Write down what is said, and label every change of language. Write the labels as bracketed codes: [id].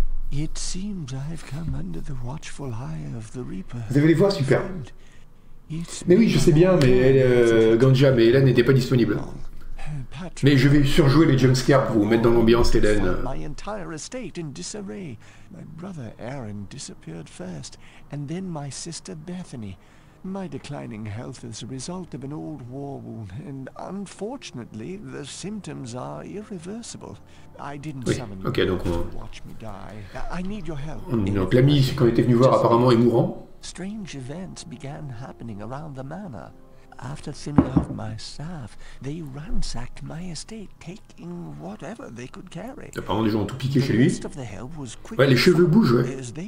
[en] It seems I've come under the watchful eye of the Reaper. [fr] Vous avez les voix, super. Mais oui, je sais bien, mais Ganja, mais Hélène n'était pas disponible. Mais je vais surjouer les jumpscares pour vous mettre dans l'ambiance, Hélène. [en] My entire estate in disarray. My brother Aaron disappeared first, and then my sister Bethany. My declining health is a result of an old war wound, and unfortunately, the symptoms are irreversible. I didn't summon you to watch me die. I need your help. [fr] Donc l'ami qu'on était venu voir apparemment est mourant. [en] Strange events began happening around the manor. After thinning out my staff, they ransacked my estate, taking whatever they could carry. [fr] Apparemment, des gens ont tout piqué chez lui. Ouais, les cheveux bougent, ouais.